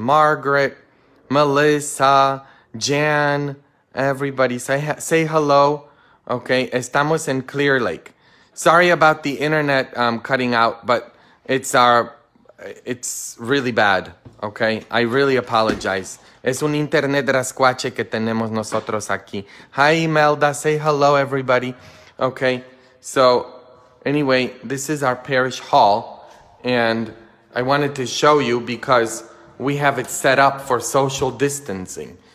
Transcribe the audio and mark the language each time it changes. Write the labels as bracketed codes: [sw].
[en] Margaret, Melissa, Jan, everybody say hello. [es] Okay, estamos en Clear Lake. [en] Sorry about the internet cutting out, but it's really bad. Okay, I really apologize. [es] Es un internet rascuache que tenemos nosotros aquí. [en] Hi, Imelda. Say hello, everybody. Okay, so anyway, this is our parish hall. And I wanted to show you because we have it set up for social distancing.